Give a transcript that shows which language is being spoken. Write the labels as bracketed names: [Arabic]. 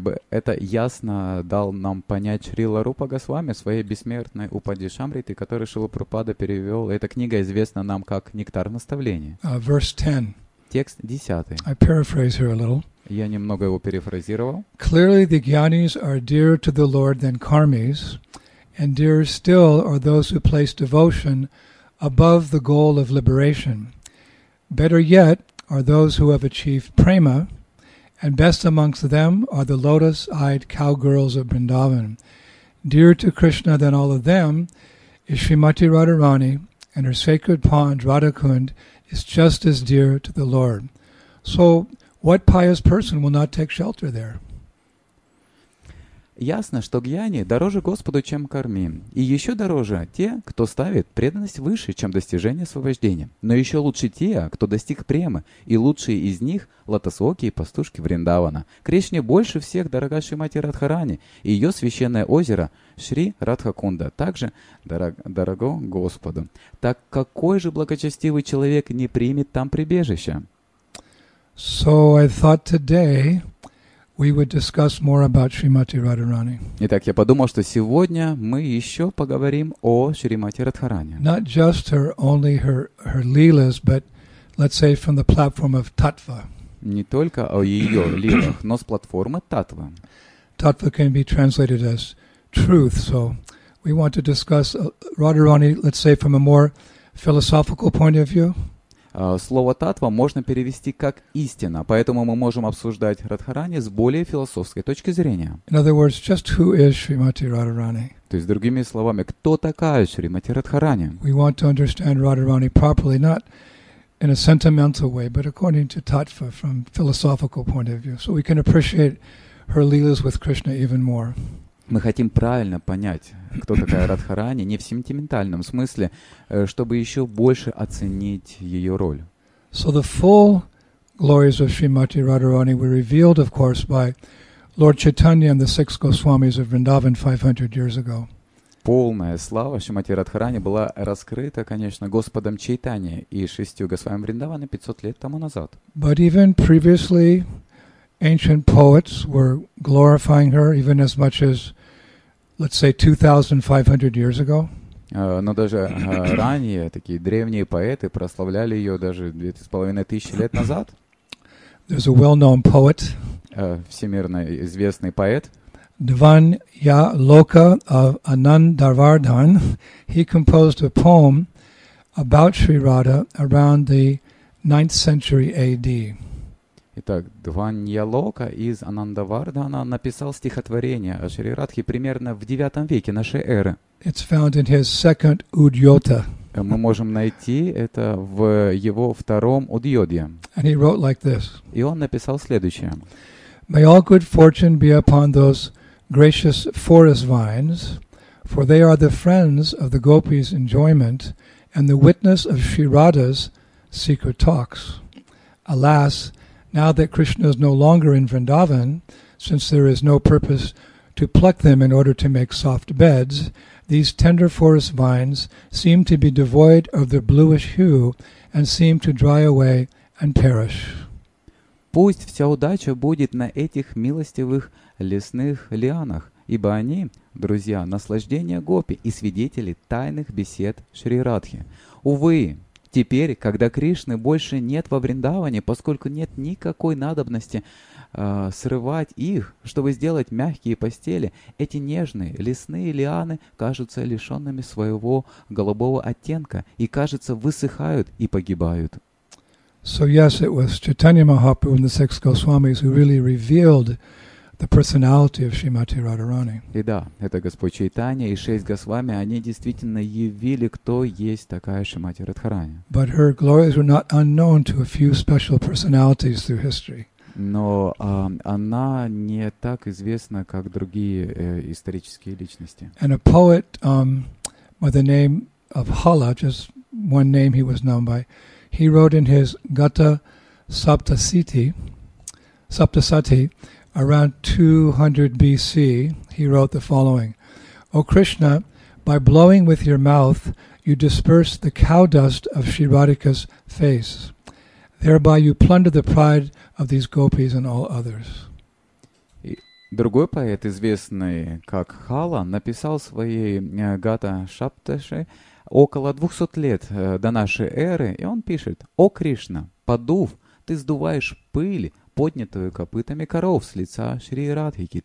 [Russian] Это ясно дал нам понять Шрила Рупа Госвами своей бессмертной Упадешамриты, которую Шрила Прабхупада перевел. Эта книга известна нам как «Нектар наставления». [English] Verse 10. [Russian] Текст 10. [English] I paraphrase here a little. [Russian] Я немного его перефразировал. [English] Clearly the gyanis are dearer to the Lord than karmis, and dearer still are those who place devotion above the goal of liberation. Better yet are those who have achieved prema, and best amongst them are the lotus-eyed cowgirls of Vrindavan. Dearer to Krishna than all of them is Srimati Radharani, and her sacred pond, Radhakund, is just as dear to the Lord. So what pious person will not take shelter there? [Russian] Ясно, что гьяни дороже Господу, чем карми, и еще дороже те, кто ставит преданность выше, чем достижение освобождения. Но еще лучше те, кто достиг премы, и лучшие из них — лотосоки и пастушки Вриндавана. Кришне больше всех дорога Шримати Радхарани, и ее священное озеро Шри Радхакунда также дорого Господу. Так какой же благочестивый человек не примет там прибежище? [English] So I thought today we would discuss more about Srimati Radharani. [Russian] Итак, я подумал, что сегодня мы еще поговорим о Шримати Радхарани. [English] Not just her, only her lilas, but let's say from the platform of tattva. [Russian] Не только о ее лилах, но с платформы таттвы. [English] Tattva can be translated as truth, so we want to discuss Radharani, let's say, from a more philosophical point of view. [Russian] Слово «таттва» можно перевести как «истина», поэтому мы можем обсуждать Радхарани с более философской точки зрения. [English] In other words, just who is Srimati Radharani? [Russian] То есть, другими словами, кто такая Шримати Радхарани? [English] We want to understand Radharani properly, not in a sentimental way, but according to tattva, from philosophical point of view, so we can appreciate her lilas with Krishna even more. [Russian] мы хотим правильно понять, кто такая Радхарани, не в сентиментальном смысле, чтобы еще больше оценить ее роль. [English] So the full glories of Srimati Radharani were revealed, of course, by Lord Chaitanya and the six Goswamis of Vrindavan 500 years ago. [Russian] Полная слава Шримати Радхарани была раскрыта, конечно, Господом Чайтанья и шестью Госвами Вриндавана 500 лет тому назад. [English] But even previously, ancient poets were glorifying her even as much as, let's say, 2500 years ago. [Russian] Но даже ранее такие древние поэты прославляли ее даже 2500 лет назад. [English] There's a well-known poet. [Russian] Всемирно известный поэт. [English] Dvanya Loka of Anandarvardhan, he composed a poem about Sri Radha around the 9th century AD. [Russian] Итак, Dvanya Loka из Anandarvardhana написал стихотворение о Шри Радхе примерно в 9 веке нашей эры. [English] It's found in his second Udyota. [Russian] Мы можем найти это в его втором Удьоте. [English] And he wrote like this. [Russian] И он написал следующее. [English] May all good fortune be upon those gracious forest vines, for they are the friends of the gopis' enjoyment and the witness of Sri Radha's secret talks. Alas, now that Krishna is no longer in Vrindavan, since there is no purpose to pluck them in order to make soft beds, these tender forest vines seem to be devoid of their bluish hue and seem to dry away and perish. [Russian] Пусть вся удача будет на этих милостивых лесных лианах, ибо они, друзья, наслаждение гопи и свидетели тайных бесед Шри Радхи. Увы, теперь, когда Кришны больше нет во Вриндаване, поскольку нет никакой надобности срывать их, чтобы сделать мягкие постели, эти нежные лесные лианы кажутся лишенными своего голубого оттенка и, кажется, высыхают и погибают. [English] So yes, it was Chaitanya Mahaprabhu and the six Goswamis who really revealed the personality of Srimati Radharani. [Russian] И да, это Господь Чайтанья и шесть Госвами, они действительно явили, кто есть такая Шримати Радхарани. [English] But her glories were not unknown to a few special personalities through history. [Russian] Но она не так известна, как другие исторические личности. [English] And a poet by the name of Hala, just one name he was known by, he wrote in his Gata Saptasati, around 200 BC, he wrote the following. O Krishna, by blowing with your mouth, you disperse the cow dust of Sri Radhika's face. Thereby you plunder the pride of these gopis and all others. [Russian] Другой поэт, известный как Хала, написал свои Гата Саптасати, около 200 лет до нашей эры, и он пишет: «О Кришна, подув, ты сдуваешь пыль, поднятую копытами коров с лица Шри Радхики.